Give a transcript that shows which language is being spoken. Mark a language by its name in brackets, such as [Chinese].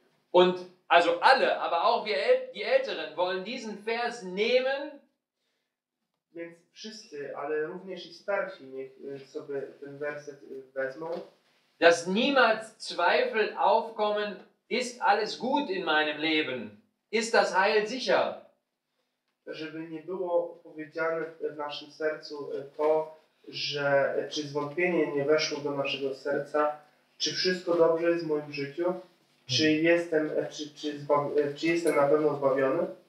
[German] Und also alle, aber auch wir die Älteren wollen diesen Vers nehmen. [Polish] Więc wszyscy, ale również i starsi, niech sobie ten werset wezmą. [German] Dass niemals Zweifel aufkommen, ist alles gut in meinem Leben? Ist das Heil sicher? [Polish] Żeby nie było powiedziane w naszym sercu to, że czy zwątpienie nie weszło do naszego serca, czy wszystko dobrze jest w moim życiu, czy jestem na pewno zbawiony?